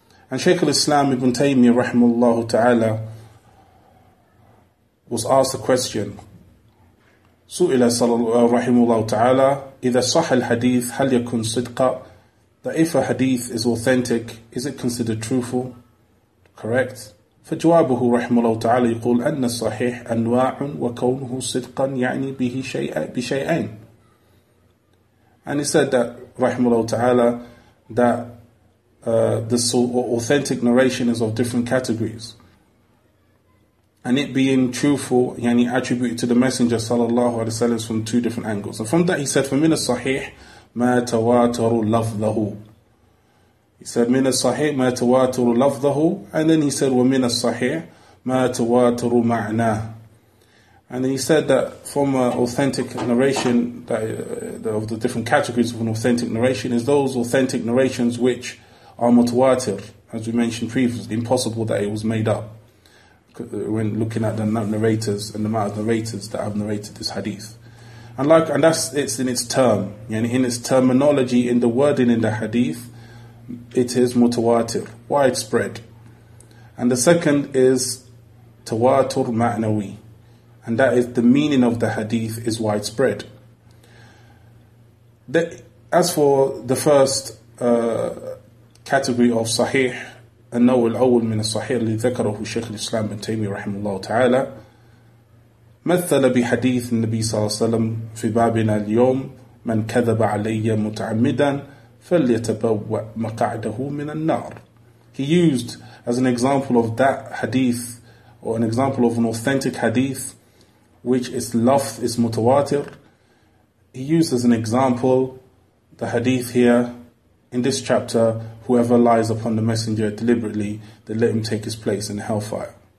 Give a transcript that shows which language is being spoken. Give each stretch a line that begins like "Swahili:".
English: And Shaykh al-Islam Ibn Taymiyyah rahimahullah ta'ala was asked a question, su'ila rahimahullah ta'ala,
Arabic: إِذَا صَحَ الْحَدِيثِ هَلْ يَكُنْ صِدْقًا,
English: that if a hadith is authentic, is it considered truthful, correct?
Arabic: فجوابه رحمه الله تعالى يقول أن الصحيح أنواع وكونه صدقا يعني به شيئا بشيئين.
English: And he said that رحمه الله تعالى that the authentic narration is of different categories, and it being truthful, يعني attributed to the Messenger صلى الله عليه وسلم, from two different angles. And from that he said,
Arabic: فمن الصحيح ما تواتر لفظه.
English: He said,
Arabic: مِنَ الصَّحِيحِ مَا تَوَاتُرُ لَفْظَهُ.
English: And then he said,
Arabic: وَمِنَ الصَّحِيحِ مَا تَوَاتُرُ مَعْنَاهُ.
English: And then he said that from an authentic narration, that of the different categories of an authentic narration, is those authentic narrations which are mutawatir, as we mentioned previously, impossible that it was made up, when looking at the narrators and the amount of narrators that have narrated this hadith. And that's it's in its term, in its terminology, in the wording in the hadith, it is mutawatir, widespread. And the second is tawatur ma'nawi, and that is the meaning of the hadith is widespread. As for the first category of sahih,
Arabic: annahu al-awwal min as-sahih li dhakarahu Shaykh al-Islam ibn Taymiyyah rahimahullah ta'ala, ما مثل بحديث النبي صلى الله عليه وسلم في بابنا اليوم: من كذب علي متعمدا فليتبوأ مقعده من النار.
English: He used as an example of that hadith, or an example of an authentic hadith which is lafz is mutawatir. He used as an example the hadith here in this chapter: whoever lies upon the messenger deliberately, then let him take his place in hellfire.